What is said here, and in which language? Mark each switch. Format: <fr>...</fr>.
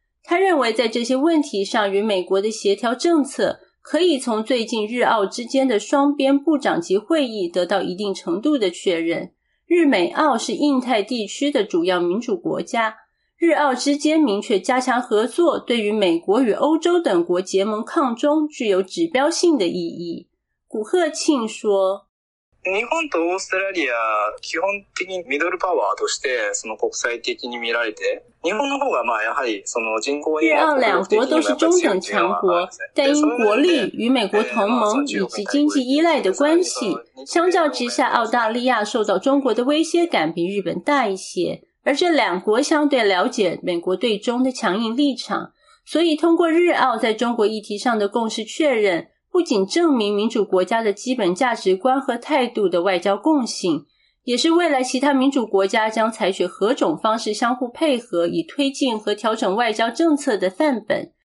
<zh>他认为，在这些问题上与美国的协调政策，可以从最近日澳之间的双边部长级会议得到一定程度的确认。日美澳是印太地区的主要民主国家，日澳之间明确加强合作，对于美国与欧洲等国结盟抗中具有指标性的意义。古贺庆说，</zh> <ja>日本とオーストラリア基本的にミドルパワーとしてその国際的に見られて、日本の方がまあやはりその人口は</ja> <zh>日澳两国都是中等强国，但因国力与美国同盟以及经济依赖的关系，相较之下，澳大利亚受到中国的威胁感比日本大一些。而这两国相对了解美国对中的强硬立场，所以通过日澳在中国议题上的共识确认，不仅证明民主国家的基本价值观和态度的外交共性，也是未来其他民主国家将采取何种方式相互配合以推进和调整外交政策的范本。</zh>